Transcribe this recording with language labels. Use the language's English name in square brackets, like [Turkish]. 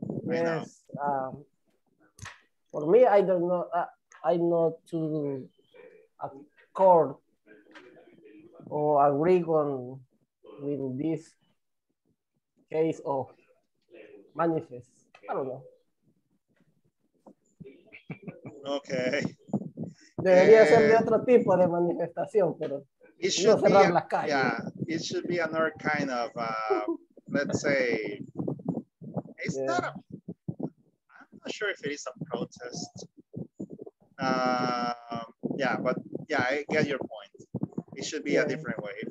[English] Yes. For me, I don't know. I'm not too accord or agree on with this case of manifest. I don't know. Okay. [Spanish] Debería ser de otro tipo de manifestación, pero [English] it should [Spanish] no cerrar las calles. [English] Yeah, it should be another kind of, let's say, it's not a, I'm not sure if it is a protest. Yeah, I get your point. It should be a different way.